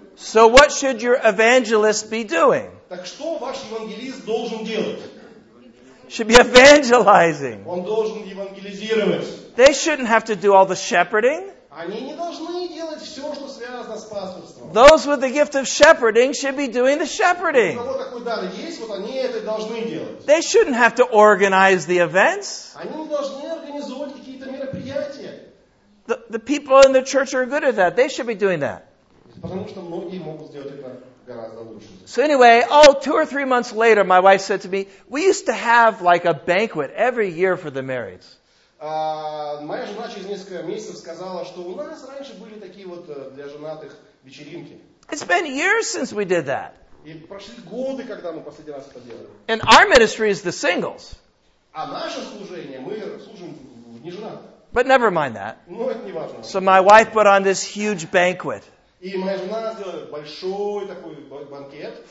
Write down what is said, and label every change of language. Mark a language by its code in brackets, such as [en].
[en] So what should your evangelist be doing? [ru] Так что ваш евангелист должен делать? [en] Should be evangelizing. [ru] Он должен евангелизировать. [en] They shouldn't have to do all the shepherding. [ru] Они не должны делать все, что связано с пастырством. [en] Those with the gift of shepherding should be doing the shepherding. [ru] У кого такой дар есть, вот они это должны делать. [en] They shouldn't have to organize the events. [ru] Они не должны организовывать какие-то мероприятия. [en] The people in the church are good at that. They should be doing that. [ru] Потому что многие могут сделать это гораздо лучше. [en] So anyway, oh, 2 or 3 months later, my wife said to me, we used to have like a banquet every year for the married. [ru] Моя жена через несколько месяцев сказала, что у нас раньше были такие вот для женатых вечеринки. [en] It's been years since we did that. [ru] И прошли годы, когда мы последний раз это делали. [en] And our ministry is the singles. [ru] А наше служение, мы служим не женатым. [en] But never mind that. [ru] Но это не важно. [en] So my wife put on this huge banquet. [ru] И моя жена сделала большой такой банкет.